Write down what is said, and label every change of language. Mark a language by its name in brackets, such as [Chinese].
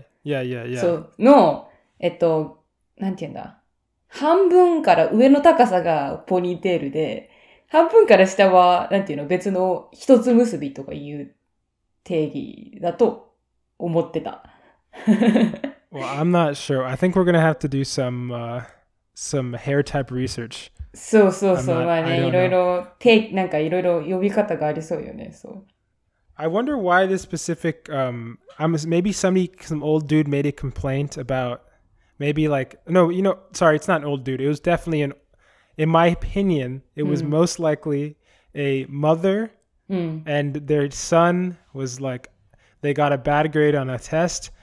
[English] Yeah. [Japanese] そうの。なんて言うんだ。半分から上の高さがポニーテールで、半分から下は、なんて言うの、別の一つ結びとかいう定義だと思ってた。 [English] Well, I'm not sure. I think we're gonna have to do some hair type research. [Japanese] そうそうそう。まあね、いろいろ、なんかいろいろ呼び方がありそうよね、そう。 [English] I wonder why this specific, maybe some old dude made a complaint about,Maybe like, no, you know, sorry, it's not an old dude. It was definitely in my opinion, it was most likely a mother and their son was like, they got a bad grade on a test.